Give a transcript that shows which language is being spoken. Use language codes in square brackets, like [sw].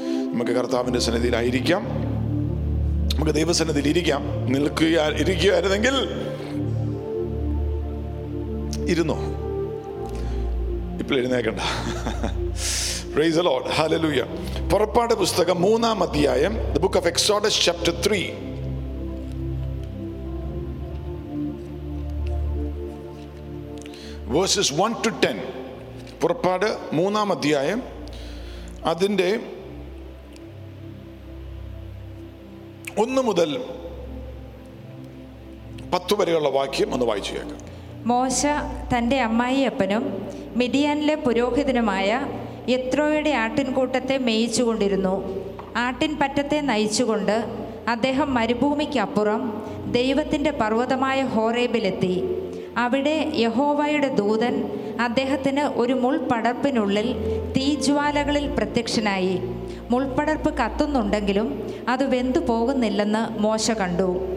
[ml] നമുക്ക് കർത്താവിന്റെ സന്നിധിയിലായിരിക്കാം, നമുക്ക് ദൈവസന്നിധിയിൽ ഇരിക്കാം. ഇരിക്കുകയായിരുന്നെങ്കിൽ ഇരുന്നോ, ഇപ്പോൾ എഴുന്നേക്കണ്ട. [en] Praise the Lord. Hallelujah. [ml] Parappada Pustakam 3rd Adhyayam, [en] the book of Exodus chapter 3. Verses 1 to 10. [ml] Parappada 3rd Adhyayam. Adinte 1 mudal 10 varayulla vakyam onnu vaichiyekka. Mosha thante ammayappanum Midianile purohithanumaya യെത്രോയുടെ ആട്ടിൻകൂട്ടത്തെ മേയിച്ചുകൊണ്ടിരുന്നു. ആട്ടിൻ പറ്റത്തെ നയിച്ചുകൊണ്ട് അദ്ദേഹം മരുഭൂമിക്കപ്പുറം ദൈവത്തിൻ്റെ പർവ്വതമായ ഹോറേബിലെത്തി. അവിടെ യഹോവയുടെ ദൂതൻ അദ്ദേഹത്തിന് ഒരു മുൾപടർപ്പിനുള്ളിൽ തീജ്വാലകളിൽ പ്രത്യക്ഷനായി. മുൾപടർപ്പ് കത്തുന്നുണ്ടെങ്കിലും അത് വെന്തു പോകുന്നില്ലെന്ന് മോശ കണ്ടു.